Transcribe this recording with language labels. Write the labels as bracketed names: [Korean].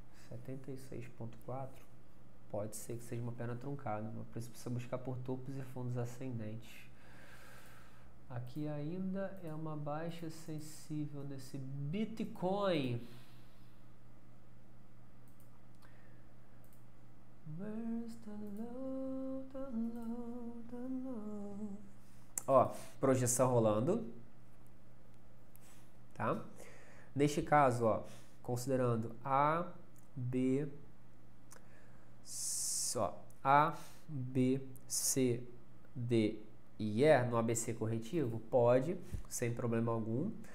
[Portuguese] 76.4. Pode ser que seja uma perna truncada. Mas precisa buscar por topos e fundos ascendentes. Aqui ainda é uma baixa sensível nesse Bitcoin. [English] Where's the low, the low, the low? [Portuguese] Ó, projeção rolando, tá? Neste caso, ó, considerando A, B, só A, B, C, D e E no ABC corretivo, pode, sem problema algum.